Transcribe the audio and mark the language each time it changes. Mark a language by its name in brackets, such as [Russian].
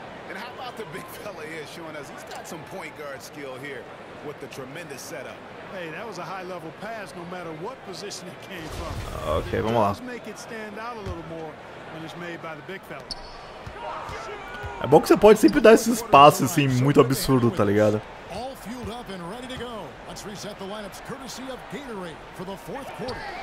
[English] And how about the big fella here showing us he's got some point guard skill here with the tremendous setup. Hey, that was a high level pass no matter what position it came from. [Portuguese] Okay, vamos lá. [English] Make it stand out a little more when it's made by the big fella. [Portuguese] É bom que você pode sempre dar esses passes assim muito absurdo, tá ligado? [English] All fueled up and ready to go. Let's reset the lineups courtesy of Gatorade for the fourth quarter.